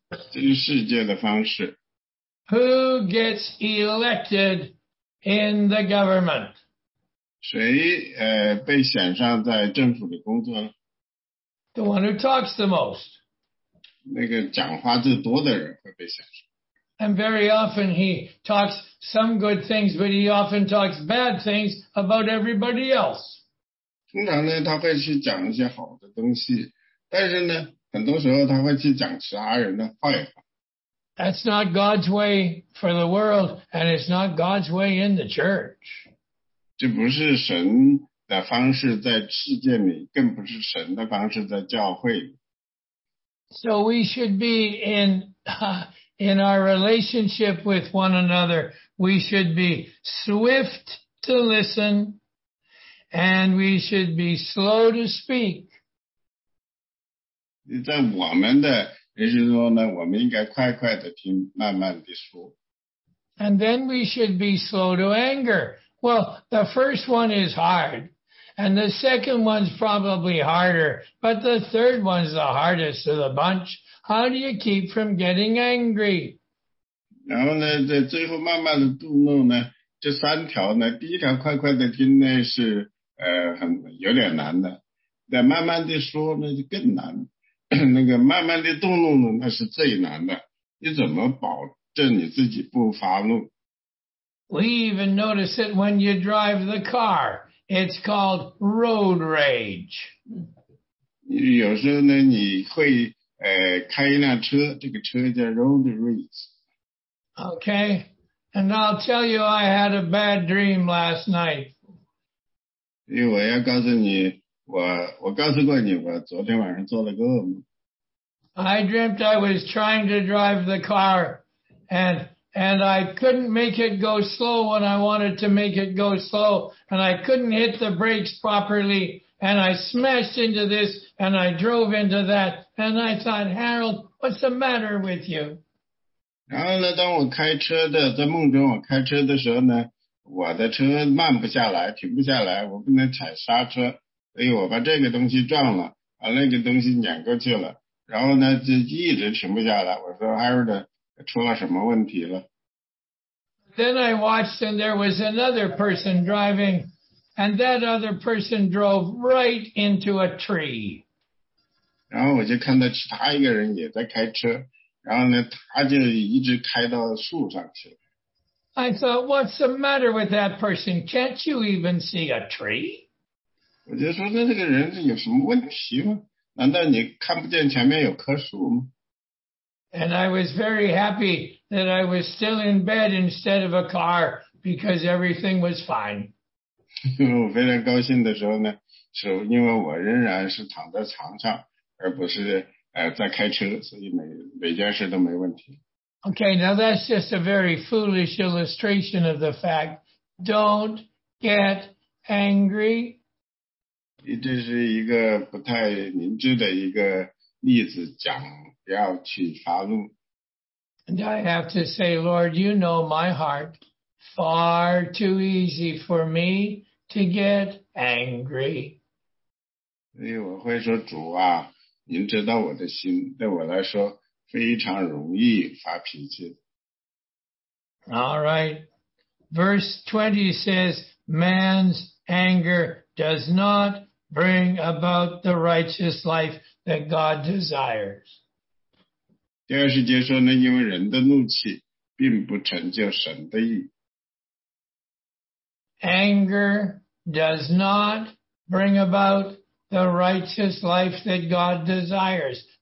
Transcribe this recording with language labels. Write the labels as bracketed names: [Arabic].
[Chinese] 这是世界的方式。 [English] Who gets elected in the government? [Chinese] 谁被选上在政府里工作呢? [English] The one who talks the most. [Chinese] 那个讲话最多的人会被选上。 [English] And very often he talks some good things, but he often talks bad things about everybody else. [Chinese] 通常呢他会去讲一些好的东西，但是呢很多时候他会去讲其他人的坏话。 [English] That's not God's way for the world, and it's not God's way in the church. [Chinese] 这不是神的方式在世界里，更不是神的方式在教会。 [English] So we should be in our relationship with one another, we should be swift to listen, and we should be slow to speak. [Chinese] 在我们的也就是说呢，我们应该快快的听，慢慢的说。 [English] And then we should be slow to anger. Well, the first one is hard, and the second one's probably harder, but the third one's the hardest of the bunch. How do you keep from getting angry? [Chinese] 然后呢，在最后慢慢的动怒呢，这三条呢，第一条快快的听呢是很有点难的，但慢慢的说呢就更难。那个慢慢的动怒呢，那是最难的。你怎么保证你自己不发怒？ [English] We even notice it when you drive the car. It's called road rage. [Chinese] 有时候呢，你会开一辆车，这个车叫 [English] road rage. Okay, and I'll tell you, I had a bad dream last night. [Chinese] 因为我要告诉你。我告诉过你，我昨天晚上做了个噩梦。 [English] I dreamt I was trying to drive the car, and I couldn't make it go slow when I wanted to make it go slow, and I couldn't hit the brakes properly, and I smashed into this, and I drove into that, and I thought, Harold, what's the matter with you? [Chinese] 然后呢，当我开车的，在梦中我开车的时候呢，我的车慢不下来，停不下来，我不能踩刹车。哎，我把这个东西撞了，把那个东西碾过去了，然后呢就一直停不下来。我说 Harold 出了什么问题了？ [English] Then I watched and there was another person driving, and that other person drove right into a tree. [Chinese] 然后我就看到其他一个人也在开车，然后呢他就一直开到树上去了。 [English] I thought, what's the matter with that person? Can't you even see a tree? [Chinese] 我就说那这个人是有什么问题吗？难道你看不见前面有棵树吗？ [English] And I was very happy that I was still in bed instead of a car because everything was fine. [Chinese] 我非常高兴的时候呢，是因为我仍然是躺在床上，而不是在开车，所以每件事都没问题。 [English] Okay, now that's just a very foolish illustration of the fact. Don't get angry. [Chinese] 这是一个不太明智的一个例子，讲不要去发怒。 [English] And I have to say, Lord, you know my heart. Far too easy for me to get angry. [Chinese] 所以我会说，主啊，您知道我的心，对我来说非常容易发脾气。 [English] All right. Verse 20 says, man's anger does notbring about the righteous life that God desires. [Chinese] 第二十节说呢，因为人的怒气并不成就神的义。 [English] Anger does not bring about the righteous life that God desires.